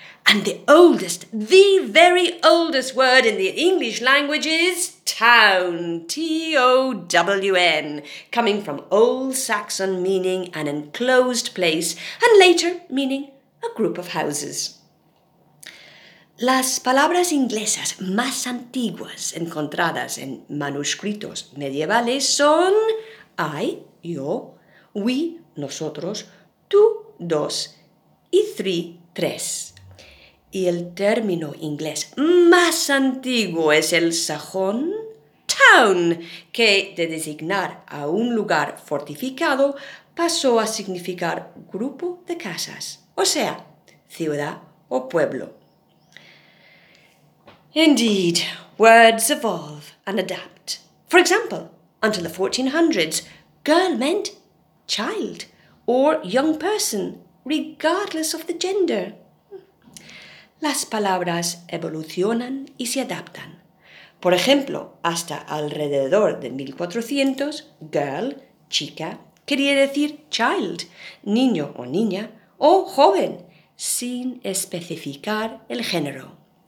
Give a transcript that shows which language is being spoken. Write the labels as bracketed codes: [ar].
[en] And the oldest, the very oldest word in the English language is town, T-O-W-N, coming from Old Saxon meaning an enclosed place, and later meaning a group of houses. [es] Las palabras inglesas más antiguas encontradas en manuscritos medievales son I, yo, we, nosotros, tú, dos, y three, tres. Y el término inglés más antiguo es el sajón, town, que de designar a un lugar fortificado pasó a significar grupo de casas, o sea, ciudad o pueblo. [en] Indeed, words evolve and adapt. For example, until the 1400s, girl meant child or young person, regardless of the gender. [es] Las palabras evolucionan y se adaptan. Por ejemplo, hasta alrededor de 1400, girl, chica, quería decir child, niño o niña, o joven, sin especificar el género.